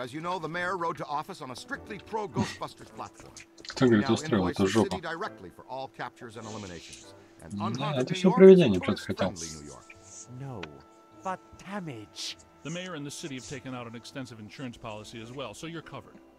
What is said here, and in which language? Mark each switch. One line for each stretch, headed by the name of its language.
English: As you know, the mayor rode to office on a strictly pro-Ghostbusters platform.
Russian: Кто говорит, устроил эту жопу? Да, это все привидение, что ты хотел.
English: No, but damage. The mayor and the city have taken out an extensive insurance policy as well, so you're covered.